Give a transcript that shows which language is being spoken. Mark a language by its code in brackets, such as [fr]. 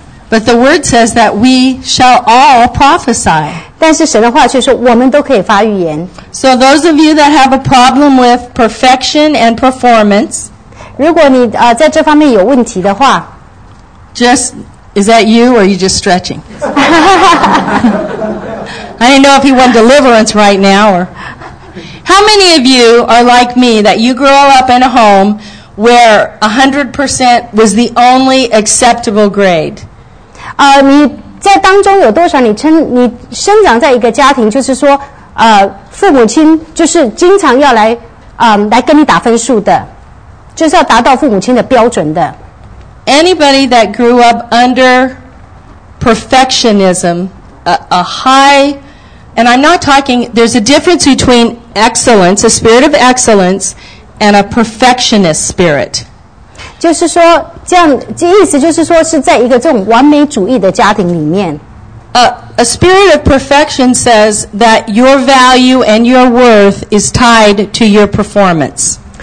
[en] But the word says that we shall all prophesy. [zh] 但是神的话却说我们都可以发预言。 [en] So those of you that have a problem with perfection and performance, [zh] 如果你在这方面有问题的话， [en] just, is that you or are you just stretching? I didn't know if he wanted deliverance right now. Or how many of you are like me that you grow up in a home where 100% was the only acceptable grade? [zh] 你在当中有多少你生长在一个家庭，就是说父母亲就是经常要来跟你打分数的，就是要达到父母亲的标准的。 [en] Anybody that grew up under perfectionism, a high, and I'm not talking, there's a difference between excellence, a spirit of excellence,and a perfectionist spirit. [zh] 就是说这样，这意思就是说是在一个这种完美主义的家庭里面。 [en] A spirit of perfection says that your value and your worth is tied to your performance.